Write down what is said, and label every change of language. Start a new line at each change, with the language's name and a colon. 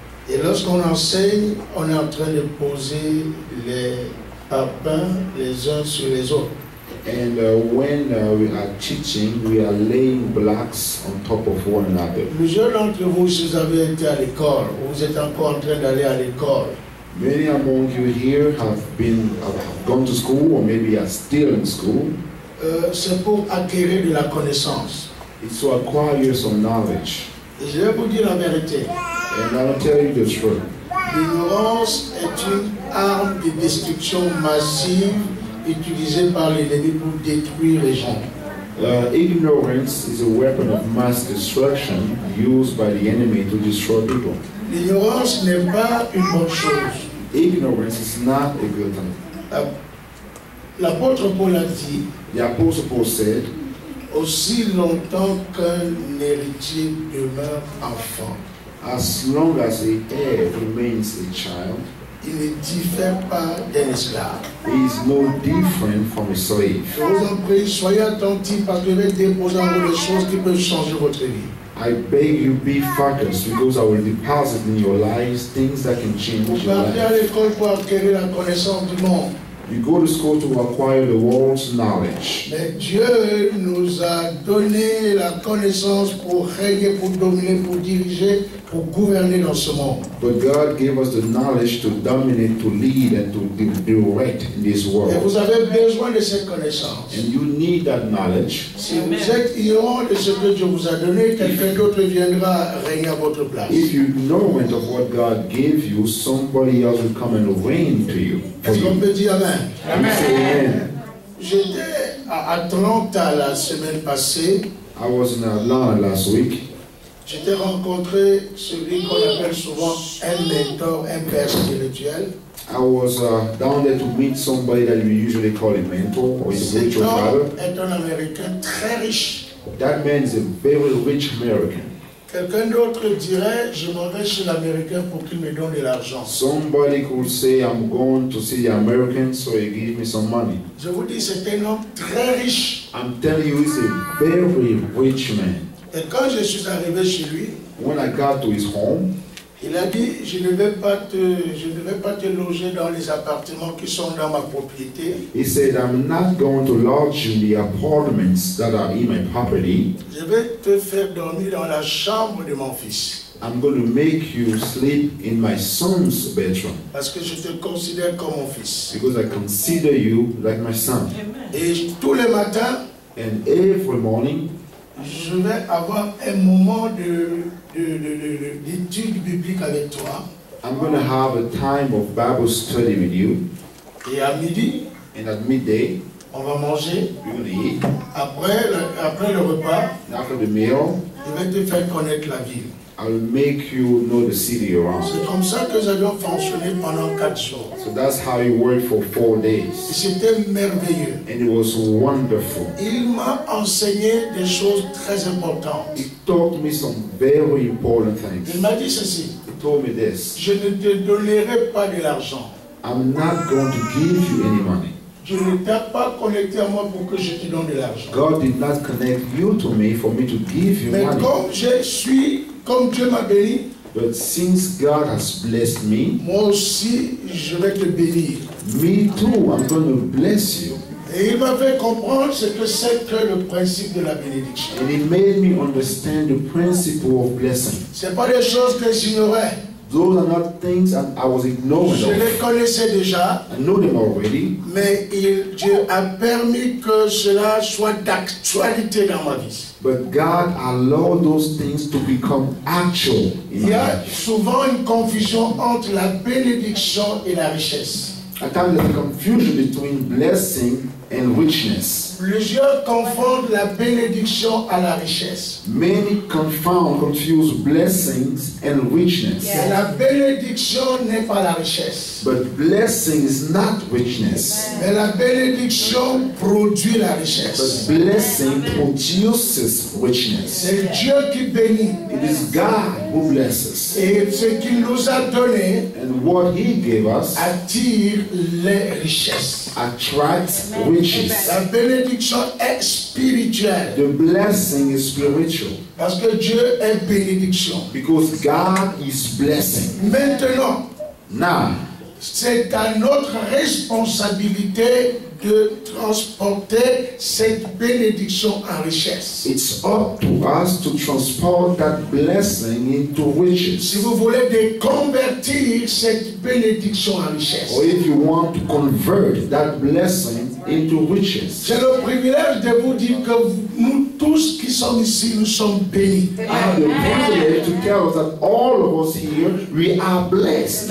French: Et lorsqu'on enseigne, on est en train de poser les parpaings les uns sur les autres.
English: And when we are teaching, we are laying blocks on top of one another.
French: Plusieurs d'entre vous, si vous avez été à l'école, vous êtes encore en train d'aller à l'école.
English: Many among you here have gone to school or maybe are still in school.
French: C'est pour acquérir de la connaissance.
English: It's to acquire some knowledge.
French: Et je vais vous dire la vérité.
English: And I'll tell you the truth.
French: L'ignorance est une arme de destruction massive utilisée par l'ennemi pour détruire les gens.
English: Ignorance is a weapon of mass destruction used by the enemy to destroy people.
French: L'ignorance n'est pas une bonne chose.
English: Ignorance is not a good thing.
French: L'apôtre Paul a dit.
English: The apostle Paul said.
French: Aussi longtemps qu'un héritier demeure enfant.
English: As long as an heir remains a child.
French: Il ne diffère pas d'un esclave.
English: He is no different from a slave.
French: Je vous en prie, soyez attentifs parce que je vais déposer en vous les choses qui peuvent changer votre vie.
English: I beg you be focused because I will deposit in your lives things that can change your life.
French: À l'école pour acquérir la connaissance du monde.
English: You go to school to acquire the world's knowledge.
French: Mais Dieu nous a donné la connaissance pour régner, pour dominer, pour diriger, pour gouverner dans ce monde.
English: But God gave us the knowledge to dominate, to lead, and to direct in this world.
French: Et vous avez besoin de cette connaissance.
English: And you need that knowledge.
French: Si Amen. Vous êtes ignorant de ce que Dieu vous a donné, quelqu'un d'autre viendra régner à votre place.
English: If you know it of what God gave you, somebody else will come and reign to you.
French: Est-ce qu'on peut dire Amen? Amen. Amen. J'étais à Atlanta la semaine passée.
English: I was in Atlanta last week.
French: J'étais rencontré celui qu'on appelle souvent un mentor, un père spirituel.
English: I was down there to meet somebody that we usually call a mentor or a spiritual father.
French: Est un Américain très riche.
English: That man is a very rich American.
French: Quelqu'un d'autre dirait, je m'en vais chez l'Américain pour qu'il me donne de l'argent.
English: Somebody could say, I'm going to see the American so he gives me some money.
French: Je vous dis, c'est un homme très riche.
English: I'm telling you, he's a very rich man.
French: Et quand je suis arrivé chez lui,
English: when I got to his home,
French: il a dit, je ne vais pas te loger dans les appartements qui sont dans ma propriété.
English: He said, I'm not going to lodge in the apartments that are in my property.
French: Je vais te faire dormir dans la chambre de mon fils.
English: I'm going to make you sleep in my son's bedroom.
French: Parce que je te considère comme mon fils.
English: Because I consider you like my son. Amen.
French: Et tous les matins,
English: and every morning,
French: je vais avoir un moment d'étude biblique avec toi.
English: I'm going to have a time of Bible study with you.
French: Et à midi,
English: and at midday,
French: on va manger.
English: We're going to eat.
French: Après le repas,
English: and after the meal,
French: je vais te faire connaître la ville.
English: I'll make you know the city around.
French: C'est comme ça que j'avais fonctionné pendant 4 jours.
English: So that's how it worked for 4 days.
French: Et c'était merveilleux.
English: And it was wonderful.
French: Il m'a enseigné des choses très importantes.
English: He taught me some very important things.
French: Il m'a dit ceci.
English: He told me this.
French: Je ne te donnerai pas de l'argent.
English: I'm not going to give you any money.
French: Je ne t'ai pas connecté à moi pour que je te donne de l'argent.
English: God did not connect you to me for me to give you
French: Mais
English: money.
French: Mais comme je suis comme Dieu m'a béni,
English: but since God has blessed me,
French: moi aussi je vais te bénir.
English: Me too, I'm going to bless you.
French: Et il m'a fait comprendre ce que c'est que le principe de la bénédiction.
English: And it made me understand the principle of blessing.
French: C'est pas des choses que j'ignorais.
English: Those are not things that I was ignoring.
French: Je les connaissais déjà.
English: I know them already.
French: Mais Dieu a permis que cela soit d'actualité dans ma vie.
English: But God allowed those things to become actual in my life.
French: Il y a souvent une confusion entre la bénédiction et la richesse.
English: At times there's a confusion between blessing and richness.
French: Plusieurs confondent la bénédiction à la richesse.
English: Many confuse blessings and richness.
French: Yes. La bénédiction n'est pas la richesse.
English: But blessing is not richness.
French: Amen. Mais la bénédiction produit la richesse.
English: But blessing Amen. Produces richness.
French: C'est yes. Dieu qui bénit.
English: It is God who blesses.
French: Et ce qu'il nous a donné,
English: and what he gave us,
French: attire les richesses.
English: Attracts riches.
French: La bénédiction est spirituelle.
English: The blessing is spiritual.
French: Parce que Dieu est bénédiction.
English: Because God is blessing.
French: Maintenant,
English: now,
French: c'est à notre responsabilité de transporter cette bénédiction en richesse.
English: It's up to us to transport that blessing into riches.
French: Si vous voulez déconvertir cette bénédiction en richesse.
English: Or if you want to convert that blessing into riches.
French: J'ai le privilège de vous dire que nous tous qui sommes ici, nous sommes bénis.
English: I have the privilege to tell us that all of us here, we are blessed.